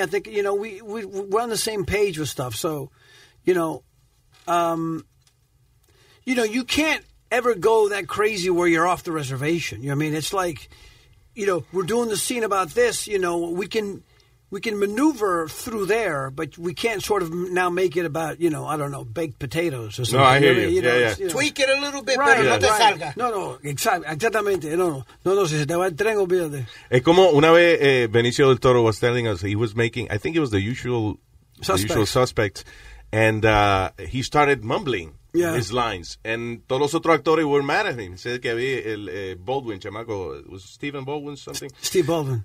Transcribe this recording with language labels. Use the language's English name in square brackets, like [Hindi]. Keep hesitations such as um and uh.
[English] I think you know, we we we're on the same page with stuff. So, you know, um, you know, you can't ever go that crazy where you're off the reservation. You know I mean, it's like, you know, we're doing the scene about this. You know, we can we can maneuver through there, but we can't sort of now make it about, you know, I don't know, baked potatoes or something. No, I you hear, hear you. Know, yeah, yeah. You know. Tweak it a little bit, right, better. Yeah. no right. [Spanish] te salga. No, no, exactamente. No, no, no, no, si se te va el tren, olvídate. Es como una vez eh, [English] Benicio del Toro was telling us, he was making, I think it was the usual suspect, the usual suspect and uh, he started mumbling yeah. his lines, and [Spanish] todos los otros [English] were mad at him. [Spanish] He Said que había el eh, Baldwin, chamaco, [English] was Stephen Baldwin something? Steve Baldwin.